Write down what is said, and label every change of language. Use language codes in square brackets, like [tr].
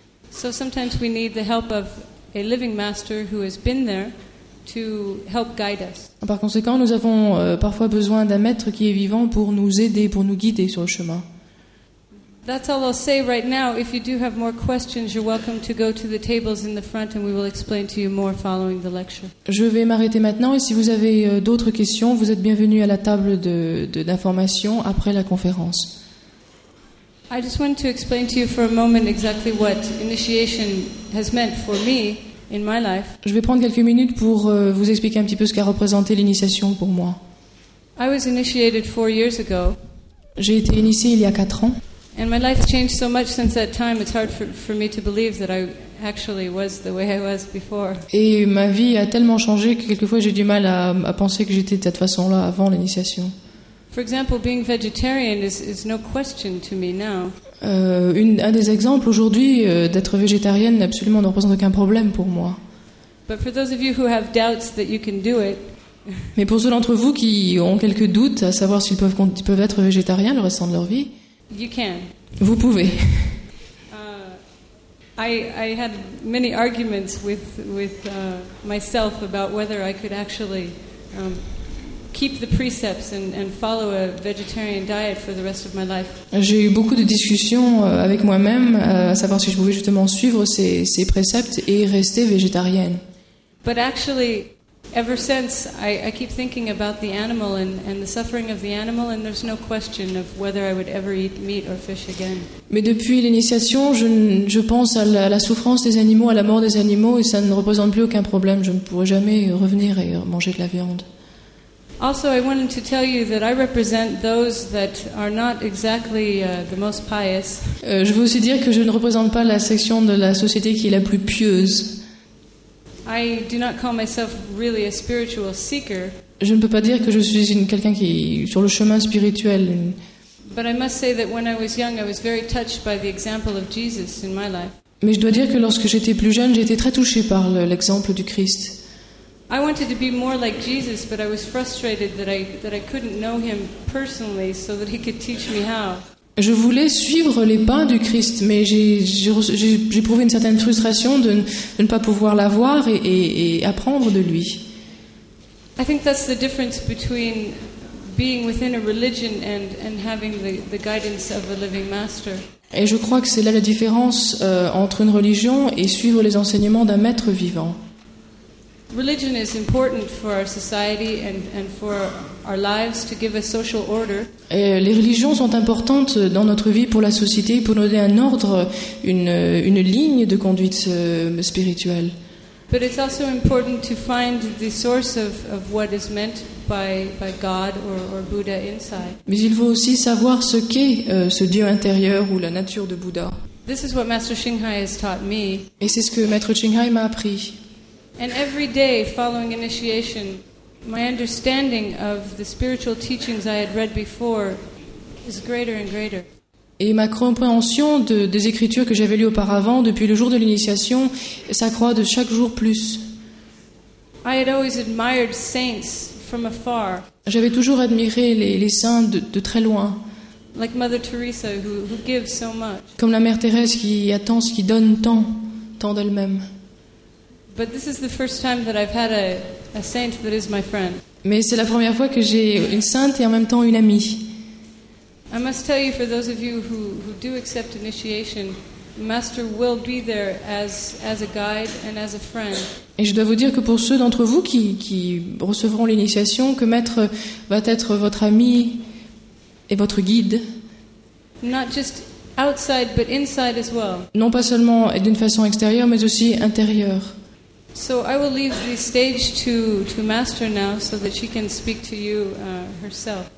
[en] So sometimes we need the help of a living master who has been there to help guide us. [fr] Par conséquent, nous avons parfois besoin d'un maître qui est vivant pour nous aider, pour nous guider sur le chemin. [en] That's all I'll say right now. If you do have more questions, you're welcome to go to the tables in the front and we will explain to you more following the lecture. [fr] Je vais m'arrêter maintenant et si vous avez d'autres questions, vous êtes bienvenue à la table d'information après la conférence. [en] I just wanted to explain to you for a moment exactly what initiation has meant for me in my life. [fr] Je vais prendre quelques minutes pour vous expliquer un petit peu ce qu'a représenté l'initiation pour moi. [en] I was initiated 4 years ago. [fr] J'ai été initié il y a 4 ans. [en] And my life changed so much since that time, it's hard for me to believe that I actually was the way I was before. [fr] Et ma vie a tellement changé que quelquefois j'ai du mal à penser que j'étais de cette façon-là avant l'initiation. [en] For example, being vegetarian is no question to me now. [fr] Un des exemples aujourd'hui d'être végétarienne absolument ne représente aucun problème pour moi. [en] But for those of you who have doubts that you can do it. [fr] Mais pour ceux d'entre vous qui ont quelques doutes à savoir s'ils peuvent être végétariens le restant de leur vie. [en] You can. [fr] Vous pouvez. [en] I had many arguments with myself about whether I could actually keep the precepts and follow a vegetarian diet for the rest of my life. [fr] J'ai eu beaucoup de discussions avec moi-même à savoir si je pouvais justement suivre ces préceptes et rester végétarienne. [en] But actually, ever since, I keep thinking about the animal and the suffering of the animal, and there's no question of whether I would ever eat meat or fish again. [fr] Mais depuis l'initiation, je pense à la souffrance des animaux, à la mort des animaux, et ça ne représente plus aucun problème. Je ne pourrai jamais revenir et manger de la viande. [en] Also, I wanted to tell you that I represent those that are not exactly the most pious. [fr] Je veux aussi dire que je ne représente pas la section de la société qui est la plus pieuse. [en] I do not call myself really a spiritual seeker. [fr] Je ne peux pas dire que je suis quelqu'un qui est sur le chemin spirituel. [en] But I must say that when I was young, I was very touched by the example of Jesus in my life. [fr] Mais je dois dire que lorsque j'étais plus jeune, j'étais très touchée par l'exemple du Christ. [en] I wanted to be more like Jesus, but I was frustrated that I couldn't know him personally so that he could teach me how. [fr] Je voulais suivre les pas du Christ, mais j'ai éprouvé une certaine frustration de ne pas pouvoir l'avoir et apprendre de lui. [en] I think that's the difference between being within a religion and having the guidance of a living master. [fr] Et je crois que c'est là la différence entre une religion et suivre les enseignements d'un maître vivant. [en] Religion is important for our society and for our lives to give a social order. [fr] Et les religions sont importantes dans notre vie pour la société, pour nous donner un ordre, une ligne de conduite spirituelle. [en] But it's also important to find the source of what is meant by God or Buddha inside. [fr] Mais il faut aussi savoir ce qu'est ce Dieu intérieur ou la nature de Bouddha. [en] This is what Master Xinghai has taught me. [fr] Et c'est ce que Maître Xinghai m'a appris. [en] And every day following initiation, my understanding of the spiritual teachings I had read before is greater and greater. [fr] Et ma compréhension des écritures que j'avais lues auparavant depuis le jour de l'initiation s'accroît de chaque jour plus. [en] I had always admired saints from afar. [fr] J'avais toujours admiré les saints de très loin. [en] Like Mother Teresa, who gives so much. [fr] Comme la Mère Thérèse qui a tant, qui donne tant, tant d'elle-même. [en] But this is the first time that I've had a saint that is my friend. [fr] Mais c'est la première fois que j'ai une sainte et en même temps une amie. [en] I must tell you, for those of you who do accept initiation, Master will be there as a guide and as a friend. [fr] Et je dois vous dire que pour ceux d'entre vous qui recevront l'initiation, que Maître va être votre ami et votre guide. [en] Not just outside, but inside as well. [fr] Non pas seulement d'une façon extérieure, mais aussi intérieure. [en] So I will leave the stage to Master now so that she can speak to you herself.